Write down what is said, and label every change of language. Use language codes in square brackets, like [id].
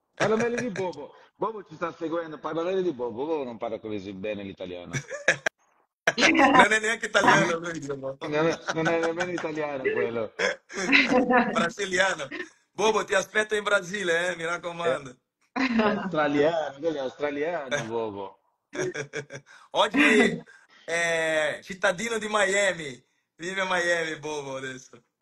[it] Parla meglio di Bobo. Bobo ci sta seguendo. Parla meglio di Bobo. Bobo non parla così bene l'italiano. Non è neanche italiano lui, diciamo. Non è nemmeno italiano quello. Brasiliano. Bobo, ti aspetto in Brasile, mi raccomando. [pt] Australiano, ele é australiano, bobo. [it] Oggi è cittadino di Miami, vive a Miami, bobo adesso.